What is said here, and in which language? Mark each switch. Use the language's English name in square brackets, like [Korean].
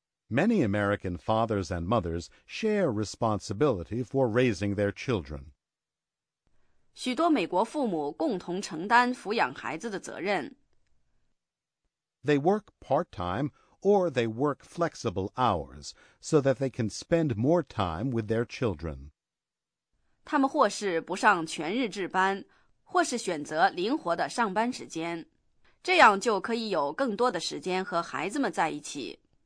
[English] Many American fathers and mothers share responsibility for raising their children. [Chinese] 许多美国父母共同承担抚养孩子的责任。 [English] They work part-time or they work flexible hours so that they can spend more time with their children. [Chinese] 他们或是不上全日制班，或是选择灵活的上班时间，这样就可以有更多的时间和孩子们在一起。